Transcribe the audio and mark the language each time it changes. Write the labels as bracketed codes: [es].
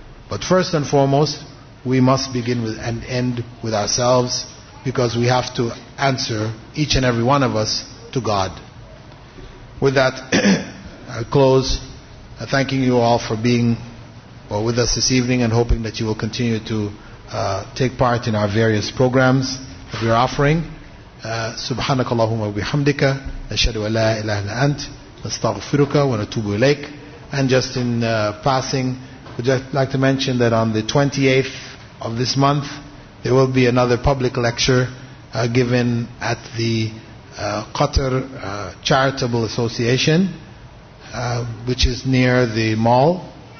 [en] But first and foremost, we must begin with and end with ourselves, because we have to answer, each and every one of us, to God. With that, I close thanking you all for being with us this evening, and hoping that you will continue to take part in our various programs that we are offering. [ar] سبحانك اللهم وبحمدك أشهد أن لا إله إلا أنت أستغفرك وأتوب إليك. [en] And just in passing, would just like to mention that on the 28th of this month there will be another public lecture given at the Qatar Charitable Association, which is near the mall.